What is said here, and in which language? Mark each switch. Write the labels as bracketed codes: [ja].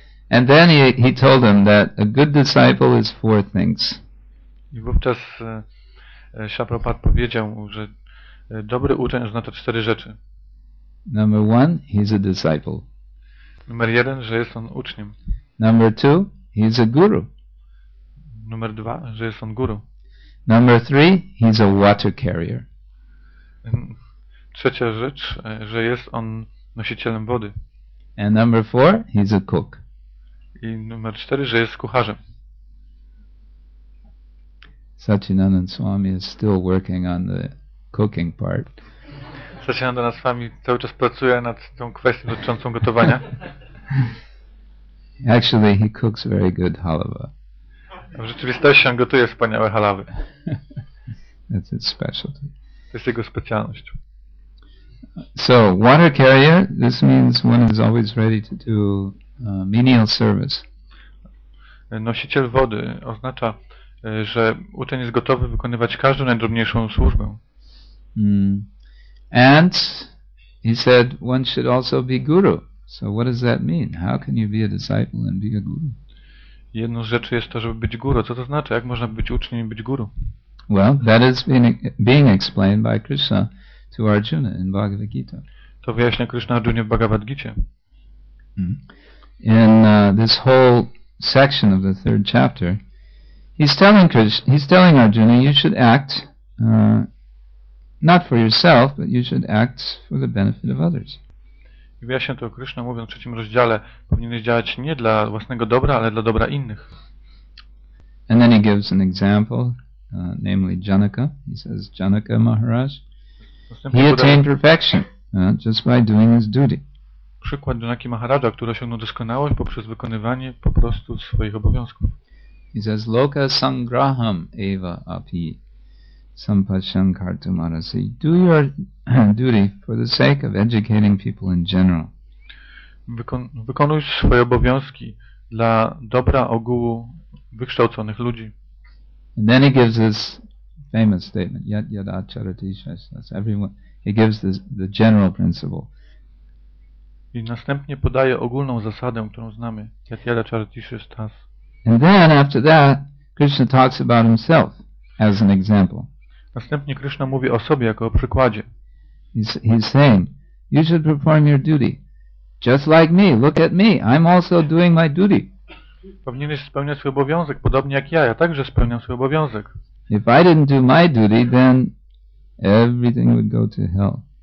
[en] And then he told him that a good disciple is four things. [pl] I wówczas Srila Prabhupada powiedział mu, że dobry uczeń oznacza cztery rzeczy. [en] Number one, he's a disciple. [pl] Numer jeden, że jest on uczniem. [en] Number two, he's a guru. [pl] Numer dwa, że jest on guru. [en] Number three, he's a water carrier. [pl] Trzecia rzecz, że jest on nosicielem wody. [en] And number four, he's a cook. [pl] I numer cztery, że jest kucharzem. [en] Satchinandan Swami is still working on the cooking part. [pl] Satchinandan Swami cały czas pracuje nad tą kwestią dotyczącą gotowania. [en] Actually, he cooks very good halava. [pl] W rzeczywistości on gotuje wspaniałe halawy. [en] That's his specialty. [pl] To jest jego specjalność. [en] So, water carrier, this means one is always ready to do menial service. [pl] Nosiciel wody oznacza, że uczeń jest gotowy wykonywać każdą najdrobniejszą służbę. [en] And he said one should also be guru. So what does that mean? How can you be a disciple and be a guru? [pl] Jedną z rzeczy jest to, żeby być guru. Co to znaczy? Jak można być uczniem i być guru? [en] Well, that is being explained by Krishna to Arjuna in Bhagavad Gita. [pl] To wyjaśnia Krishna Arjunie w Bhagavad Gita. [en] In this whole section of the third chapter, he's telling Arjuna, you should act not for yourself, but you should act for the benefit of others. [pl] I wyjaśnia to Krishna, mówiąc w trzecim rozdziale, powinieneś działać nie dla własnego dobra, ale dla dobra innych. [en] And then he gives an example, namely Janaka. He says, Janaka Maharaj, he attained perfection just by doing his duty. [pl] Przykład Janaki Maharaja, który osiągnął doskonałość poprzez wykonywanie po prostu swoich obowiązków. [en] He says, [sa] Loka Sangraham Eva Api Sampashankartum Arasi. [en] Do your duty for the sake of educating people in general. [pl] Wykonuj swoje obowiązki dla dobra ogółu wykształconych ludzi. [en] And then he gives this famous statement, [sa] Yat Yat Acharati Shastras. [en] Everyone, he gives the general principle. [pl] I następnie podaje ogólną zasadę, którą znamy. [sa] Yat Yat Acharati Shastras. [en] And then after that, Krishna talks about himself as an example. [pl] Następnie Krishna mówi o sobie jako o przykładzie. [en] He's saying, you should perform your duty. Just like me, look at me, I'm also doing my duty. [pl] Powinieneś spełniać swój obowiązek, podobnie jak ja także spełniam swój obowiązek. [en] If I didn't do my duty, then everything would go to hell.